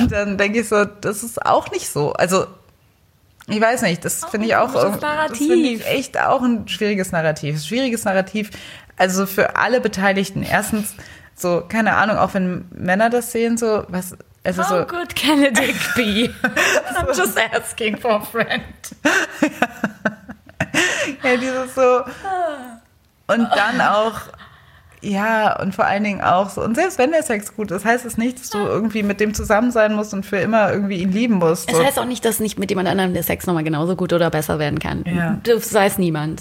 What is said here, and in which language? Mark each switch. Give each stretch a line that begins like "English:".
German: Und dann denke ich so, das ist auch nicht so. Also, ich weiß nicht, das finde ich auch, echt auch ein schwieriges Narrativ. Schwieriges Narrativ, also für alle Beteiligten. Erstens, so, keine Ahnung, auch wenn Männer das sehen, so, was. Also
English: how so, good can a dick be? I'm just asking for a friend.
German: Ja, dieses so. Und dann auch, ja, und vor allen Dingen auch so. Und selbst wenn der Sex gut ist, heißt es nicht, dass du irgendwie mit dem zusammen sein musst und für immer irgendwie ihn lieben musst. Es heißt auch nicht, dass nicht mit jemand anderem der Sex nochmal genauso gut oder besser werden kann. Ja. Du weißt niemand.